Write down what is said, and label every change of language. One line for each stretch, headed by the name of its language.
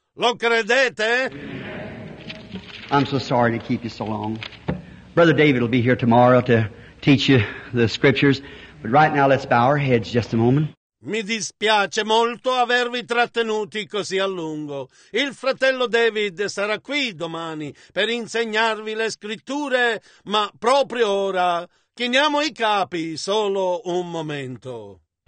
Italian: Lo credete?
English: I'm so sorry to keep you so long. Brother David will be here tomorrow to teach you the scriptures. But right now, let's bow our heads just a moment.
Italian: Mi dispiace molto avervi trattenuti così a lungo. Il fratello David sarà qui domani per insegnarvi le scritture, ma proprio ora chiniamo i capi solo un momento.